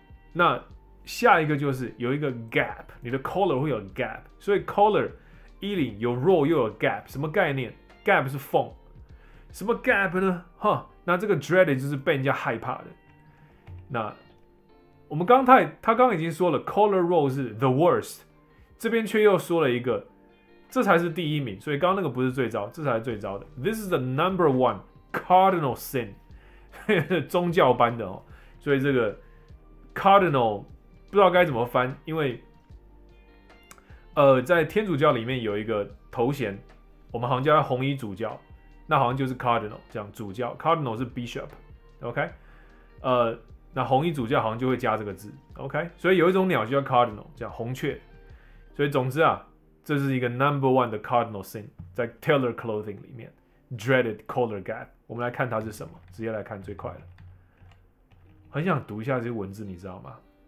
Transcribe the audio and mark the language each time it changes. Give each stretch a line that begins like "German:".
Chinese: 那下一个就是有一个 gap， 你的 collar 会有 gap， 所以 collar 衣领有 roll 又有 gap， 什么概念 ？gap 是缝，什么 gap 呢？哈，那这个 dreaded 就是被人家害怕的。那我们刚才他刚已经说了 collar roll 是 the worst， 这边却又说了一个，这才是第一名。所以刚刚那个不是最糟，这才是最糟的。
English: This is the number one cardinal sin，
Chinese: 宗教般的哦。所以这个 cardinal。不知道该怎么翻，因为，在天主教里面有一个头衔，我们好像叫红衣主教，那好像就是 cardinal， 这样主教 cardinal 是 bishop， OK， 那红衣主教好像就会加这个字， OK， 所以有一种鸟叫 cardinal， 这样红雀，所以总之啊，这是一个 number one 的 cardinal sin， 在 tailor clothing 里面 dreaded collar gap， 我们来看它是什么，直接来看最快的，很想读一下这些文字，你知道吗？